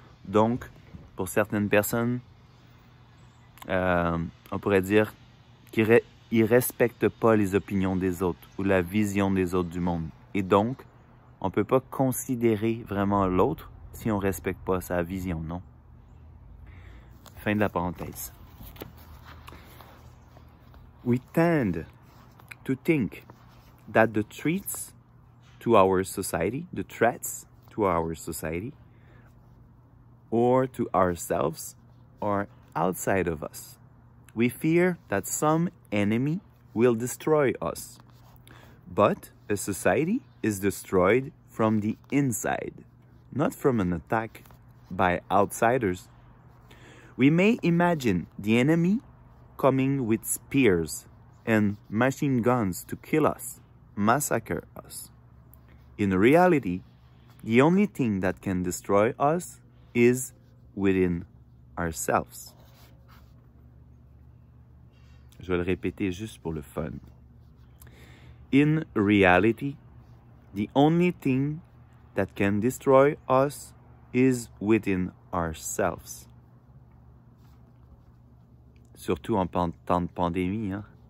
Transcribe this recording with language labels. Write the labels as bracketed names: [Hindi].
[French] Donc, pour certaines personnes, on pourrait dire qu'ils ne respectent pas les opinions des autres ou la vision des autres du monde. Et donc, on ne peut pas considérer vraiment l'autre si on ne respecte pas sa vision, non? Fin de la parenthèse. [English] We tend to think that the threats to our society, or to ourselves, are outside of us. We fear that some enemy will destroy us. But a society is destroyed from the inside, not from an attack by outsiders. We may imagine the enemy coming with spears and machine guns to kill us, massacre us. In reality, the only thing that can destroy us is within ourselves. [French] Je vais le répéter juste pour le fun. [English] In reality, the only thing that can destroy us is within ourselves. [French] Surtout en temps de pandémie, hein?